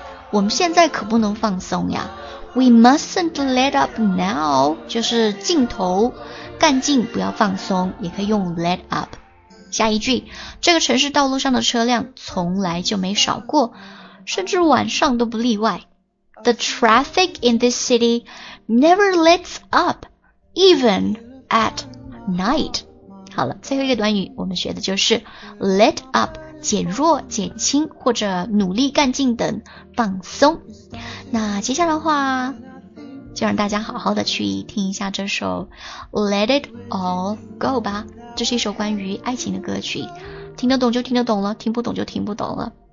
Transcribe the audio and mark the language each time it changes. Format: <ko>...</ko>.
<zh>我们现在可不能放松呀。</zh> <en>We mustn't let up now,</en> <zh>就是劲头干劲，不要放松，也可以用 let up。下一句，这个城市道路上的车辆从来就没少过，甚至晚上都不例外。</zh> <en>The traffic in this city never lets up, even at night.</en> <zh>好了，最后一个短语我们学的就是 let up，减弱、减轻或者努力干劲等放松。那接下来的话就让大家好好的去听一下这首 Let It All Go 吧，这是一首关于爱情的歌曲，听得懂就听得懂了，听不懂就听不懂了。</zh>